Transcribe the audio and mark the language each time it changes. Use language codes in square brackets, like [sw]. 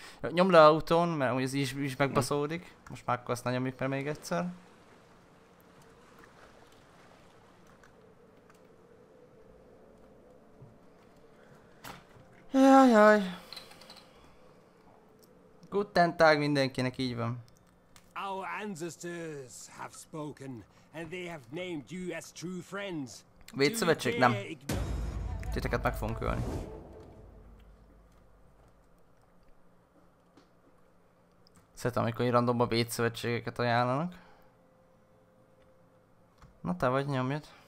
[hu] Nyom le autón, mert úgy ez is megbaszódik. Most már akkor azt ne nyomjuk meg még egyszer. Jajjaj. [de] Guten Tag [hu] mindenkinek, így van. [en] Our ancestors have spoken, and they have named you as true friends. [hu] Vétszövetség? Nem. Titeket meg fogunk ölni. Szeretem, amikor így randomban vétszövetségeket ajánlanak. Na te vagy, nyomjad.